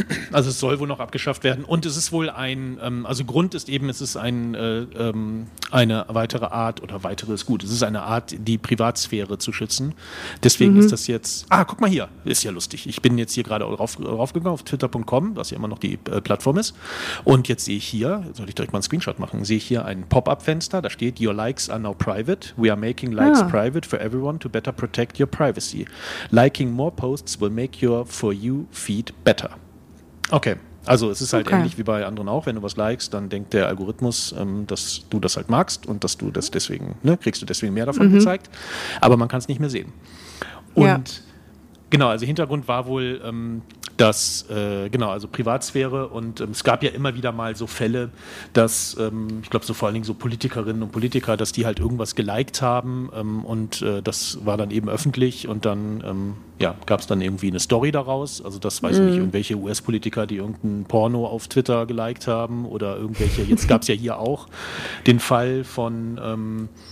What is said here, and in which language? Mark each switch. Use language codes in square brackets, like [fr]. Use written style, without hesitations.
[de] Also es soll wohl noch abgeschafft werden. Und es ist wohl ein, also Grund ist eben, es ist ein, eine weitere Art, oder weitere ist gut, es ist eine Art, die Privatsphäre zu schützen. Deswegen ist das jetzt, guck mal hier, ist ja lustig. Ich bin jetzt hier gerade raufgegangen auf twitter.com, was ja immer noch die Plattform ist. Und jetzt sehe ich hier, soll ich direkt mal einen Screenshot machen, sehe ich hier ein Pop-up-Fenster, da steht, [en] your likes are now private. We are making likes private for everyone to better protect your privacy. Liking more posts will make your for you feed better. [de] Okay, also es ist halt ähnlich wie bei anderen auch, wenn du was likest, dann denkt der Algorithmus, dass du das halt magst und dass du das deswegen, ne, kriegst du deswegen mehr davon gezeigt, aber man kann es nicht mehr sehen. Und genau, also Hintergrund war wohl, dass, also Privatsphäre und es gab ja immer wieder mal so Fälle, dass, ich glaube so vor allen Dingen so Politikerinnen und Politiker, dass die halt irgendwas geliked haben und das war dann eben öffentlich und dann, gab es dann irgendwie eine Story daraus, also das weiß ich nicht, irgendwelche US-Politiker, die irgendein Porno auf Twitter geliked haben oder irgendwelche, jetzt gab es ja hier auch den Fall von,